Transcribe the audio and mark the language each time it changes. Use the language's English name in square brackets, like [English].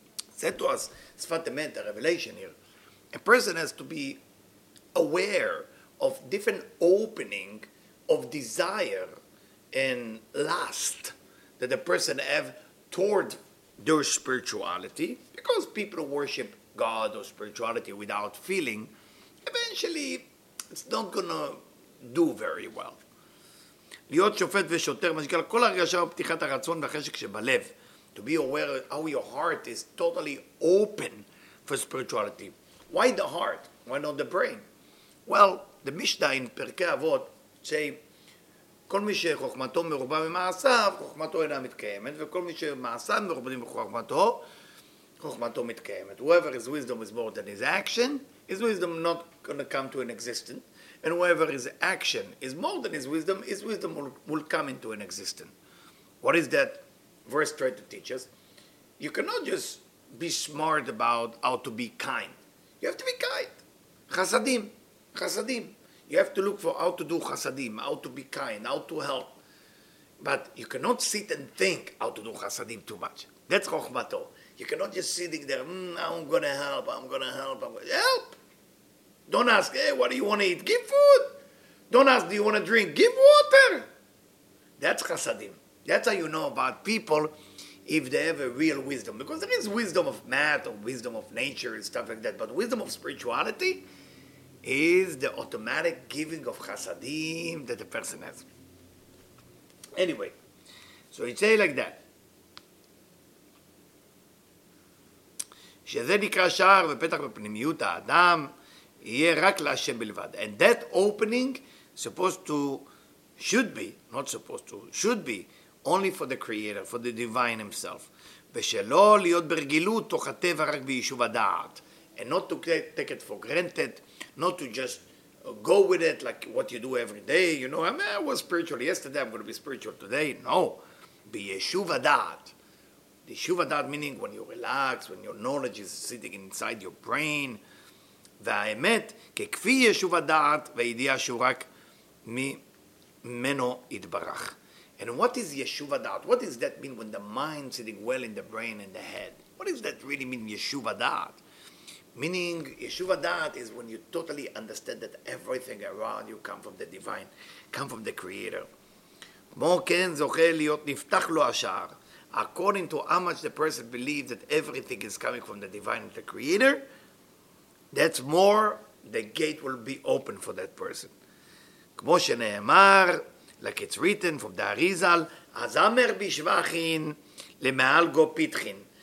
[English] Said to us, Sfat Emet, the revelation here. A person has to be aware of different opening of desire and lust that the person have toward their spirituality, because people worship God or spirituality without feeling, eventually it's not gonna do very well. [Hebrew] להיות שופט ושוטר משגל כל הרגשה ופתיחת הרצון והחשק שבלב. [English] To be aware of how your heart is totally open for spirituality. Why the heart? Why not the brain? Well, the Mishnah in Perkei Avot say, [Hebrew] כל מי שחוכמתו מרובה ממעשיו, חוכמתו אינה מתקיימת, וכל מי שמעשיו מרובה מחוכמתו, חוכמתו מתקיימת. [English] Whoever his wisdom is more than his action, his wisdom not going to come to an existence. And whoever his action is more than his wisdom will come into an existence. What is that verse trying to teach us? You cannot just be smart about how to be kind. You have to be kind. Chasadim. Chasadim. You have to look for how to do chasadim, how to be kind, how to help. But you cannot sit and think how to do chasadim too much. That's chokhmato. You cannot just sitting there, I'm going to help. Don't ask, hey, what do you want to eat? Give food. Don't ask, do you want to drink? Give water. That's chasadim. That's how you know about people, if they have a real wisdom. Because there is wisdom of math or wisdom of nature and stuff like that. But wisdom of spirituality is the automatic giving of chasadim that the person has. Anyway, so it's say like that. [Hebrew] שזה נקרא שער ופתח בפנימיות האדם יהיה רק להשם בלבד. [English] And that opening should be only for the creator, for the divine himself. [Hebrew] ושלא להיות ברגילות תוך הטבע רק ביישוב הדעת. [English] And not to take it for granted, not to just go with it like what you do every day, you know, I was spiritual yesterday, I'm going to be spiritual today. [Hebrew] No, ביישוב הדעת. [English] The יישוב הדעת meaning when you relax, when your knowledge is sitting inside your brain. [Hebrew] והאמת, ככפי יישוב הדעת והידיעה שהוא רק ממנו התברך. [English] And what is Yeshuva Da'at? What does that mean when the mind sitting well in the brain and the head? What does that really mean, Yeshuva Da'at? Meaning, Yeshuva Da'at is when you totally understand that everything around you comes from the divine, comes from the creator. [Hebrew] כמו כן זוכה להיות נפתח לו השער. [English] According to how much the person believes that everything is coming from the divine, the creator, that's more, the gate will be open for that person. [Hebrew] כמו שנאמר, [English] like it's written from the Arizal, [Hebrew] Azamer Bishvachin Lemeal Go Pitchin.